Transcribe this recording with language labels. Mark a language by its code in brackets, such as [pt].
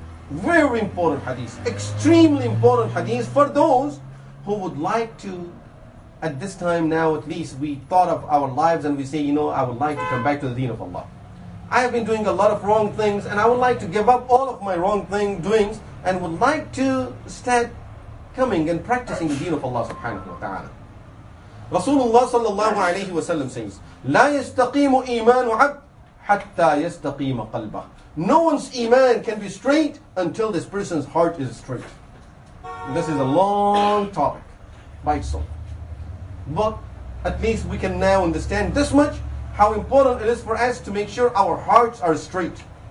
[en] Very important hadith, extremely important hadith for those who would like to, at this time now at least, we thought of our lives and we say, you know, I would like to come back to the deen of Allah. I have been doing a lot of wrong things and I would like to give up all of my wrong doings and would like to start coming and practicing the deen of Allah subhanahu wa ta'ala. [ar] Rasulullah sallallahu alayhi wa sallam says, لَا يَسْتَقِيمُ إِيمَانُ عَبْدٍ حَتَّى يَسْتَقِيمَ قَلْبَهُ. [en] No one's iman can be straight until this person's heart is straight. This is a long topic by itself. But at least we can now understand this much, how important it is for us to make sure our hearts are straight.